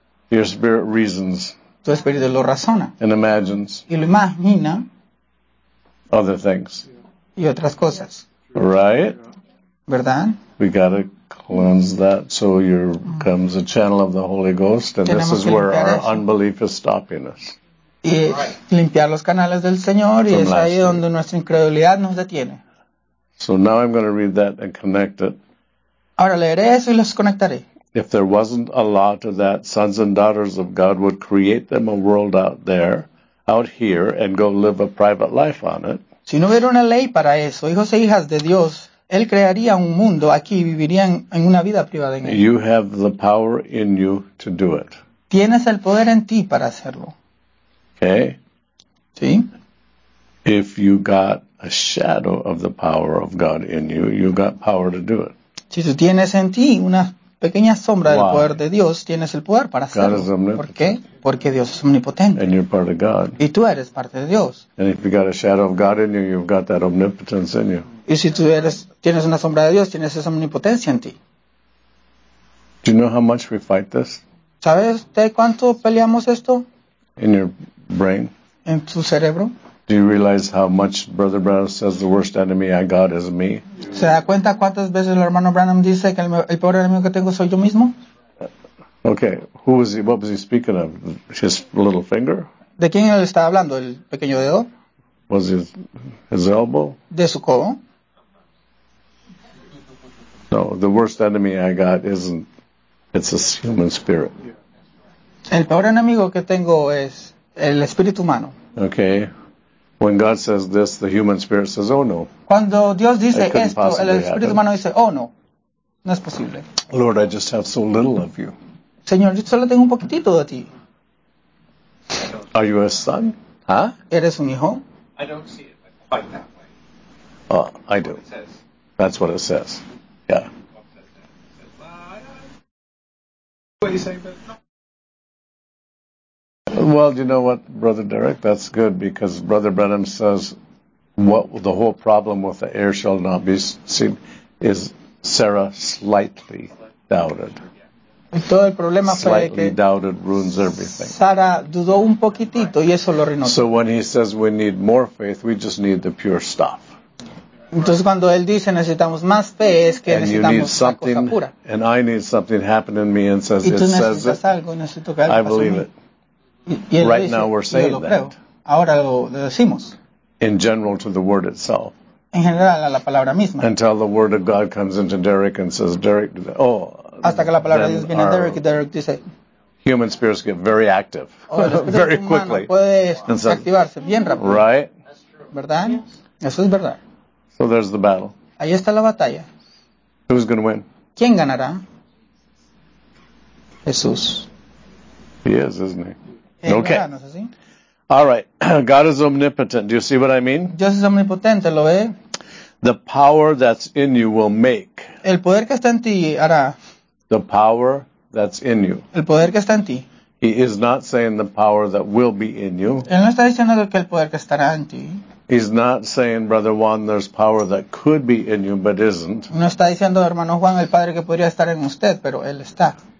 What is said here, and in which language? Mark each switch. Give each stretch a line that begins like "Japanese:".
English: Your spirit reasons.
Spanish: Tu espíritu lo razona.
English: And imagines.
Spanish: Y lo imagina.
English: Other things.
Spanish: Y otras cosas.
English: Right?
Spanish: ¿verdad?
English: We got to cleanse that so here comes a channel of the Holy Ghost, and
Spanish: tenemos
English: this is where our
Spanish: eso.
English: Unbelief is stopping us.
Spanish: Y limpiar los canales del Señor, y es ahí donde nuestra incredulidad nos detiene.
English: So now I'm going to read that and connect it.
Spanish: Ahora leeré eso y los conectaré.
English: If there wasn't a law to that, sons and daughters of God would create them a world out there, out here, and go live a private life on it.
Spanish: Si no hubiera una ley para eso, hijos e hijas de Dios, Él crearía un mundo aquí y vivirían en una vida privada en él.
English: You have the power in you to do it.
Spanish: Tienes el poder en ti para hacerlo.
English: Okay.
Spanish: Sí.
English: If you got a shadow of the power of God in you, you got power to do it.
Spanish: Si tú tienes en ti una pequeña sombra
English: Why?
Spanish: Del poder de Dios, tienes el poder para hacerlo.
English: God is omnipotent.
Spanish: ¿Por qué? Porque Dios es omnipotente.
English: And you're part of God.
Spanish: Y tú eres parte de Dios.
English: And if you got a shadow of God in you, you've got that omnipotence in you.
Spanish: Y si tú eres, tienes una sombra de Dios, tienes esa omnipotencia en ti.
English: Do you know how much we fight this?
Spanish: ¿Sabes de cuánto peleamos esto?
English: In your brain.
Spanish: En tu cerebro.
English: Do you realize how much Brother Branham says the worst enemy I got is me?
Spanish: ¿Se da cuenta cuántas veces el hermano Branham dice que el peor enemigo que tengo soy yo mismo?
English: Okay, who was he, what was he speaking of? His little finger?
Spanish: ¿De quién él estaba hablando, el pequeño dedo?
English: Was his elbow?
Spanish: ¿De su codo?
English: No, the worst enemy I got isn't, it's a human spirit.
Spanish: El peor enemigo que tengo es el espíritu humano.
English: Okay. When God says this, the human spirit says, oh no.
Spanish: Cuando Dios dice esto, el espíritu humano dice, oh no. No es posible.
English: Lord, I just have so little of you.
Spanish: Señor, yo solo tengo un poquitito de ti.
English: Are you a son? Huh?
Spanish: ¿Eres un hijo?
English: I don't see it quite that way. Oh, I do. That's what it says. Yeah. Well, you know what, Brother Derek? That's good, because Brother Branham says what the whole problem with the heir shall not be seen is Sarah slightly doubted.
Spanish: Todo el problema
English: slightly
Spanish: fue que
English: doubted ruins everything.
Spanish: Sara dudó un poquitito y eso lo arruinó.
English: So when he says we need more faith, we just need the pure stuff.
Spanish: Entonces cuando él dice necesitamos más fe, es que
English: and
Spanish: necesitamos una cosa pura.
English: And I need something happen in me and says
Spanish: y tú
English: it
Spanish: necesitas
English: says
Spanish: algo, necesito que algo
English: I believe
Spanish: mí.
English: It. Right now we're saying that.
Spanish: Ahora lo decimos.
English: In general to the word itself.
Spanish: En general a la palabra misma.
English: Until the word of God comes into Derek and says, Derek, oh.
Spanish: Hasta que la palabra de Dios viene a Derek y Derek dice.
English: Human spirits get very active. Very quickly.
Spanish: Puede activarse bien rápido.
English: Right?
Spanish: ¿Verdad? Eso es verdad.
English: So there's the battle.
Spanish: Ahí está la batalla.
English: Who's going to win?
Spanish: ¿Quién ganará? Jesús.
English: He is, isn't he? Okay. All right. God is omnipotent. Do you see what I mean?
Spanish: Dios es omnipotente, ¿lo ve?
English: The power that's in you will make.
Spanish: El poder que está en ti hará.
English: The power that's in you.
Spanish: El poder que está en ti.
English: He is not saying the power that will be in you.
Spanish: Él no está diciendo que el poder que estará en ti.
English: He's not saying, Brother Juan, there's power that could be in you, but isn't.
Spanish: No está diciendo, hermano Juan, el padre que podría estar en usted, pero él está.